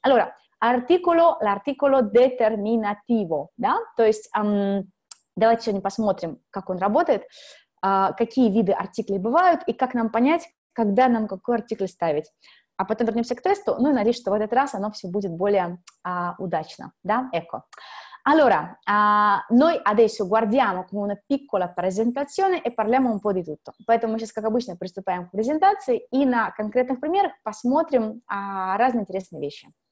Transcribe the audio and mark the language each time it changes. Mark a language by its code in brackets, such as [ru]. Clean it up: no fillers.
[it] Allora, l'articolo determinativo, да? [ru] То есть, давайте сегодня посмотрим, как он работает, какие виды артиклей бывают, и как нам понять, когда нам какой артикль ставить. А потом вернемся к тесту, ну, и надеюсь, что в этот раз оно все будет более удачно, да? [it] Ecco. Allora, noi adesso guardiamo come una piccola presentazione e parliamo un po' di tutto. [ru] Поэтому мы сейчас, как обычно, приступаем к презентации и на конкретных примерах посмотрим разные интересные вещи.